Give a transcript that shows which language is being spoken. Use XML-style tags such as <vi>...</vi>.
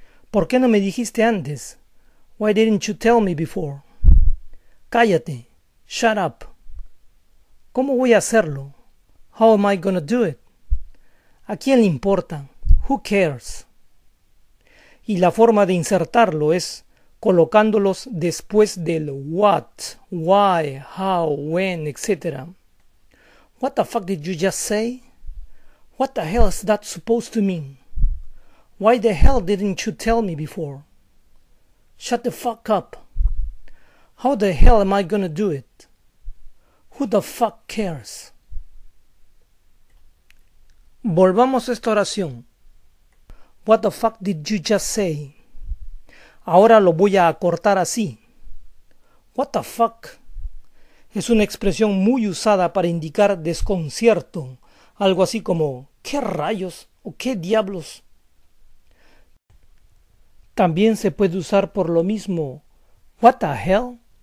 <es>¿Por qué no me dijiste antes?</es> <en>Why didn't you tell me before?</en> <es>Cállate.</es> <en>Shut up.</en> <es>¿Cómo voy a hacerlo?</es> <en>How am I gonna do it?</en> <es>¿A quién le importa?</es> <en>Who cares?</en> <es>Y la forma de insertarlo es colocándolos después del what, why, how, when, etc.</es> <en>What the fuck did you just say? What the hell is that supposed to mean? Why the hell didn't you tell me before? Shut the fuck up. How the hell am I gonna do it? Who the fuck cares?</en> <es>Volvamos a esta oración.</es> <en>What the fuck did you just say?</en> <es>Ahora lo voy a acortar así.</es> <en>What the fuck?</en> <es>Es una expresión muy usada para indicar desconcierto, algo así como ¿qué rayos o qué diablos? También se puede usar por lo mismo</es> <en>What the hell?</en>